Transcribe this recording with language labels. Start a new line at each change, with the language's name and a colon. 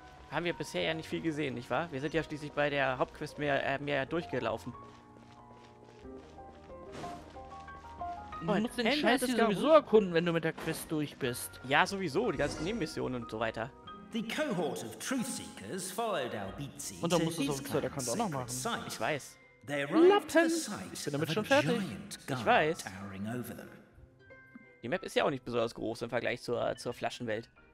German: Haben wir bisher ja nicht viel gesehen, nicht wahr? Wir sind ja schließlich bei der Hauptquest mehr durchgelaufen. Man muss den Scheiß hier sowieso erkunden, wenn du mit der Quest durch bist. Ja, sowieso, die ganzen Nebenmissionen und so weiter.
English: The cohort of truth seekers followed our Beatsy.
German: Und da musst du so viel, da kannst du auch noch machen. Site. Ich weiß. Lappen! Ich bin damit schon fertig. Ich weiß. Die Map ist ja auch nicht besonders groß im Vergleich zur Flaschenwelt.